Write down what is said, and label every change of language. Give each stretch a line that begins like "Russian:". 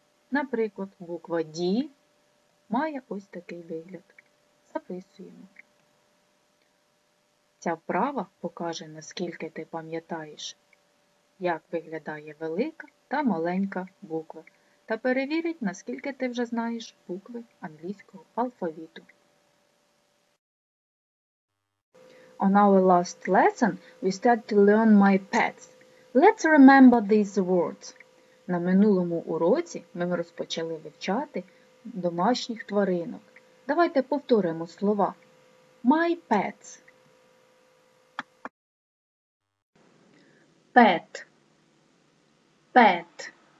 Ukrainian: Наприклад, буква D має ось такий вигляд. Записуємо. Ця вправа покаже, наскільки ти пам'ятаєш, як виглядає велика та маленька буква, та перевірить, наскільки ти вже знаєш букви англійського алфавіту.
English: On our last lesson, we started to learn my pets. Let's remember these words.
Ukrainian: На минулому уроці ми розпочали вивчати домашніх тваринок. Давайте повторимо слова.
English: My pets. Pet. Pet.